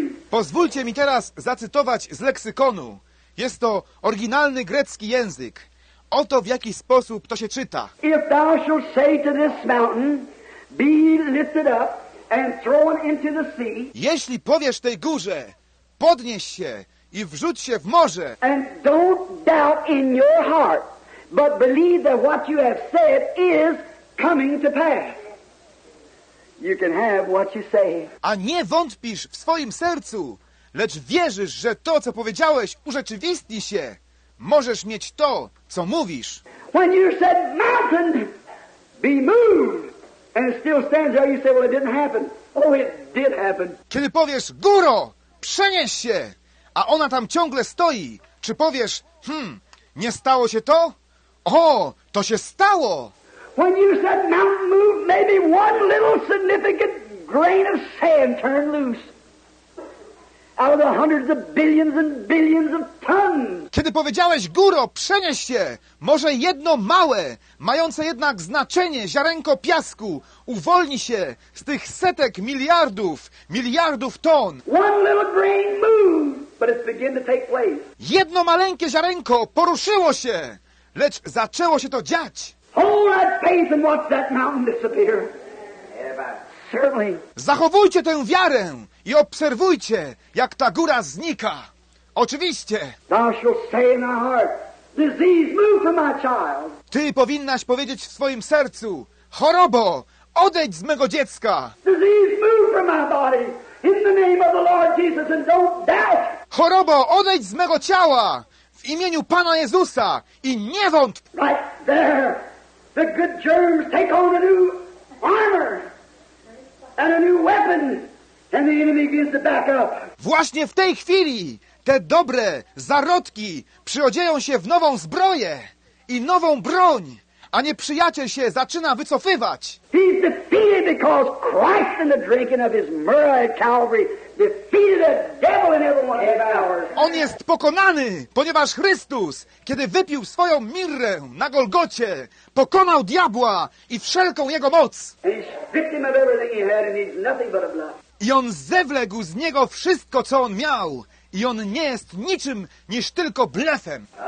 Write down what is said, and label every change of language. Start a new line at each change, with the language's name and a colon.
Polish: Pozwólcie mi teraz zacytować z leksykonu. Jest to oryginalny grecki język. Oto w jaki sposób to się czyta.
English: If thou shalt say to this mountain, be lifted up and thrown into the sea.
Polish: Jeśli powiesz tej górze, podnieś się i wrzuć się w morze.
English: And don't doubt in your heart, but believe that what you have said is coming to pass. You can have what you say.
Polish: A nie wątpisz w swoim sercu, lecz wierzysz, że to, co powiedziałeś, urzeczywistni się. Możesz mieć to, co mówisz.
English: When you said mountain, be moved. And it still stands there, you say, well, it didn't happen. Oh, it did happen.
Polish: Kiedy powiesz, góro, przenieś się, a ona tam ciągle stoi, czy powiesz, nie stało się to? O, to się stało.
English: When you said mountain move, maybe one little significant grain of sand turned loose. Out of the hundreds of billions and billions of tons.
Polish: Kiedy powiedziałeś, góro, przenieś się, może jedno małe, mające jednak znaczenie, ziarenko piasku, uwolni się z tych setek miliardów ton.
English: One little grain moved, but it began to take place.
Polish: Jedno maleńkie ziarenko poruszyło się, lecz zaczęło się to dziać.
English: Hold that faith and watch that mountain disappear. Certainly.
Polish: Zachowujcie tę wiarę i obserwujcie, jak ta góra znika. Oczywiście.
English: Thou shalt say in thy heart, disease move from my child.
Polish: Ty powinnaś powiedzieć w swoim sercu, chorobo, odejdź z mego dziecka.
English: Disease move from my body in the name of the Lord Jesus and don't doubt.
Polish: Chorobo, odejdź z mego ciała w imieniu Pana Jezusa i nie wątp.
English: Right there, the good germs take on a new armor and a new weapon. And the enemy begins to back up.
Polish: Właśnie w tej chwili te dobre zarodki przyodzieją się w nową zbroję i nową broń, a nieprzyjaciel się zaczyna wycofywać.
English: He's defeated because Christ in the drinking of his myrrh at Calvary defeated the devil in every one of his powers.
Polish: On jest pokonany, ponieważ Chrystus, kiedy wypił swoją mirrę na Golgocie, pokonał diabła i wszelką jego moc.
English: He's victim of everything he had and he's nothing but a bluff.
Polish: I on zewległ z niego wszystko, co on miał. I on nie jest niczym niż tylko blefem.